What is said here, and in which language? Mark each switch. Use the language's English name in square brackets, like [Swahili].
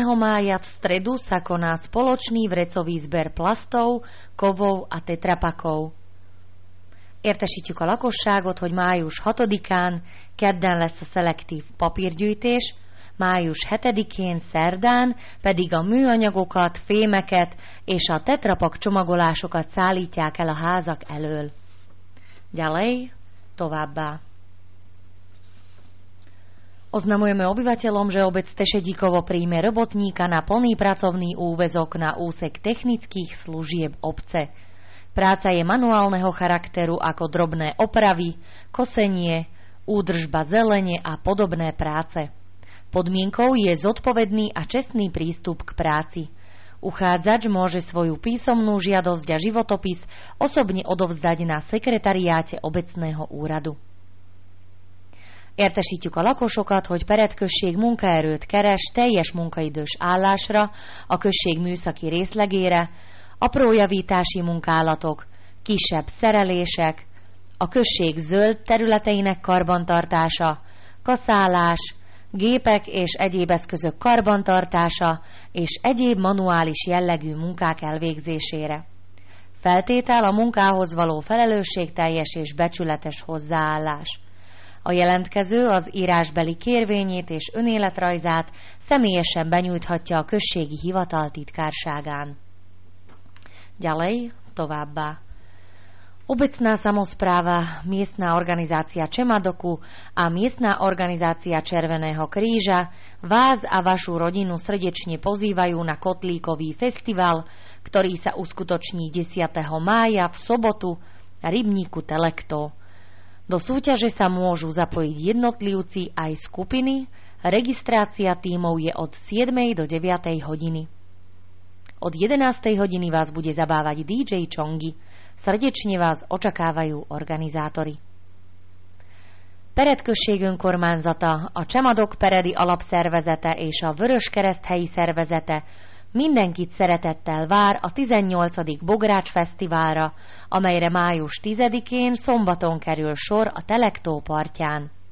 [Slovak] mája v stredu sa koná spoločný vrecový zber plastov, kovov a tetrapakov. [Hungarian] Értesítjük a lakosságot, hogy május 6-án kedden lesz a szelektív papírgyűjtés, május 7-én szerdán pedig a műanyagokat, fémeket és a tetrapak csomagolásokat szállítják el a házak elől. [Slovak] Ďalej, [Hungarian] továbbá. [Slovak] Oznamujeme obyvateľom, že obec Tešedíkovo príjme robotníka na plný pracovný úväzok na úsek technických služieb obce. Práca je manuálneho charakteru ako drobné opravy, kosenie, údržba zelene a podobné práce. Podmienkou je zodpovedný a čestný prístup k práci. Uchádzač môže svoju písomnú žiadosť a životopis osobne odovzdať na sekretariáte obecného úradu. [Hungarian] Értesítjük a lakosokat, hogy pered község munkaerőt keres teljes munkaidős állásra, a község műszaki részlegére, apró javítási munkálatok, kisebb szerelések, a község zöld területeinek karbantartása, kaszálás, gépek és egyéb eszközök karbantartása és egyéb manuális jellegű munkák elvégzésére. Feltétel a munkához való felelősségteljes és becsületes hozzáállás. A jelentkező az írásbeli kérvényét és önéletrajzát személyesen benyújthatja a községi hivatal titkárságán. [Slovak] Ďalej, [Hungarian] továbbá. [Slovak] Obecná samospráva, miestna organizácia Čemadoku a miestna organizácia Červeného kríža vás a vašu rodinu srdečne pozývajú na kotlíkový festival, ktorý sa uskutoční 10. mája v sobotu na rybníku Telekto. Do súťaže sa môžu zapojiť jednotlivci aj skupiny, registrácia tímov je od 7. do 9. hodiny. Od 11. hodiny vás bude zabávať DJ Čongi. Srdečne vás očakávajú organizátori. [Hungarian] Peredkösség önkormányzata, a Csemadok Peredi alapszervezete és a Vöröskereszt helyi szervezete mindenkit szeretettel vár a 18. Bogrács Fesztiválra, amelyre május 10-én szombaton kerül sor a Telektó partján.